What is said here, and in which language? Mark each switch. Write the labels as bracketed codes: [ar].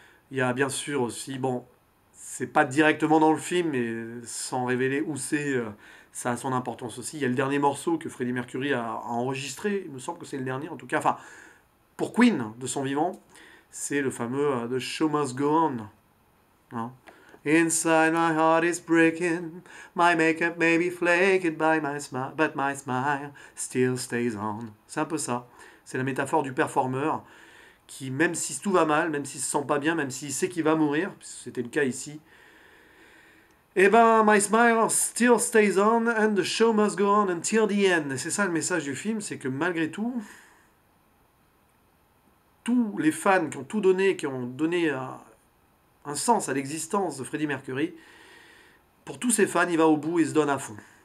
[fr] Il y a bien sûr aussi, bon, c'est pas directement dans le film, mais sans révéler où c'est, ça a son importance aussi. Il y a le dernier morceau que Freddie Mercury a enregistré, il me semble que c'est le dernier en tout cas, enfin, pour Queen de son vivant, c'est le fameux The Show Must Go On. Hein? [en] Inside my heart is breaking, my makeup may be flaked by my smile, but my smile still stays on. [fr] C'est un peu ça. C'est la métaphore du performeur qui, même si tout va mal, même s'il se sent pas bien, même s'il sait qu'il va mourir, c'était le cas ici, eh ben, [en] my smile still stays on and the show must go on until the end. [fr] C'est ça le message du film, c'est que malgré tout, tous les fans qui ont tout donné, qui ont donné un sens à l'existence de Freddie Mercury, pour tous ses fans, il va au bout et se donne à fond.